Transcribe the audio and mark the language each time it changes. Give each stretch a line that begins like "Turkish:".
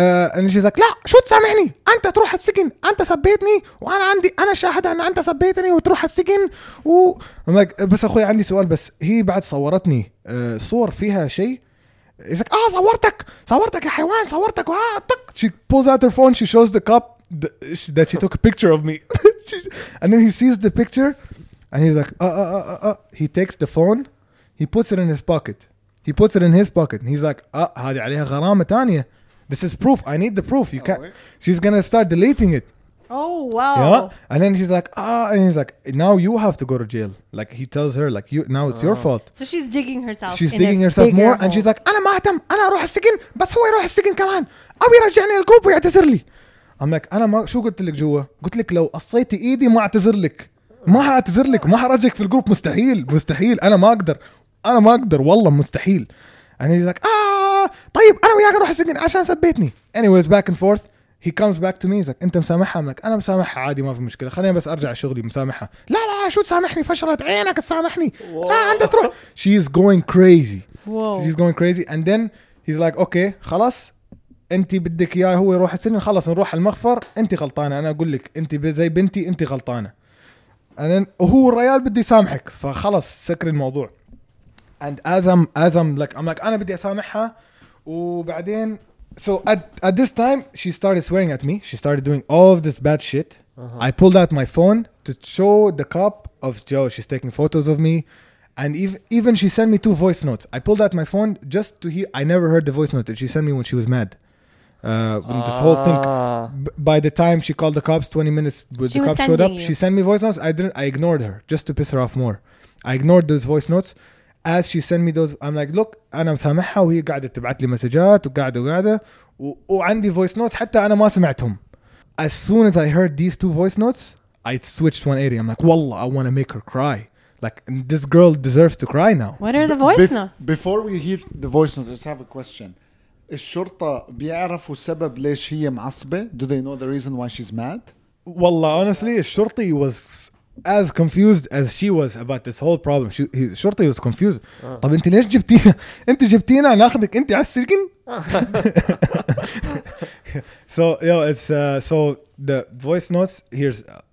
English: And she's like,
Arabic: لا شو تسامحني؟ أنت تروح السجن. أنت سبيتني وأنا عندي أنا شاهدة أن أنت سبيتني وتروح السجن. و
English: I'm like,
Arabic: بس أخوي عندي سؤال, بس هي بعد صورتني صور فيها شيء.
English: He's like,
Arabic: صورتك يا حيوان صورتك. تك.
English: She pulls out her phone. She shows the cop that she took a picture of me. And then he sees the picture and he's like, he takes the phone, he puts it in his pocket and he's like,
Arabic: هادي عليها غرامة تانية.
English: This is proof. I need the proof. You can't. She's gonna start deleting it. Oh wow. Yeah. And then she's like, and he's like, now you have to go to jail. Like, he tells her, like, you now it's your fault. So she's digging herself. She's digging herself more hole. And she's like,
Arabic: أنا ما أهتم, أنا أروح السجن, بس هو يروح السجن كمان أو يرجعني الكوب ويعتذر لي.
English: I'm like,
Arabic: أنا ما شو قلت لك جوا؟ قلت لك لو قصيتي إيدي ما أعتذر لك. ما هعتذر لك, ما هرجك في الجروب. مستحيل. أنا ما أقدر والله مستحيل.
English: And he's like,
Arabic: طيب أنا وياك أروح السجن عشان سبيتني.
English: Anyways, back and forth. He comes back to me. He's like,
Arabic: أنت مسامحها؟
English: I'm like,
Arabic: أنا مسامحها عادي ما في مشكلة. خليني بس أرجع شغلي مسامحها. لا شو تسامحني؟ فشرت عينك تسامحني. لا أنت تروح.
English: She's going crazy. And then he's like, okay,
Arabic: خلاص. انت بدك اياه هو يروح السجن, خلص نروح المغفر. انت غلطانه, انا اقول لك انت زي بنتي, انت غلطانه. انا هو الريال بده يسامحك, فخلص سكر الموضوع.
English: And as I'm like, I'm like,
Arabic: انا بدي اسامحها. وبعدين
English: so at this time she started swearing at me, she started doing all of this bad shit. Uh-huh. I pulled out my phone to show the cop of Joe. She's taking photos of me. And even she sent me 2 voice notes. I pulled out my phone just to hear. I never heard the voice note that she sent me when she was mad. When this whole thing. By the time she called the cops, 20 minutes with the cops showed up, she sent me voice notes. I ignored her just to piss her off more. I ignored those voice notes. As she sent me those, I'm like, look,
Arabic: أنا مسامحها وهي قاعدة تبعت لي مسجات وقاعدة وعندي voice notes حتى أنا ما سمعتهم.
English: As soon as I heard these 2 voice notes, I switched 180. I'm like,
Arabic: والله,
English: I want to make her cry. Like, this girl deserves to cry now. What are the voice notes? Before we hear the voice notes, let's have a question.
Arabic: الشرطة بيعرفوا سبب ليش هي معصبة?
English: Do they know the reason why she's mad?
Arabic: والله,
English: honestly, الشرطي was as confused as she was about this whole problem.
Arabic: الشرطي
English: was confused.
Arabic: طب انت ليش جبتينا? انت جبتينا ناخدك انت على السجن?
English: So, yo, it's, so the voice notes, here's...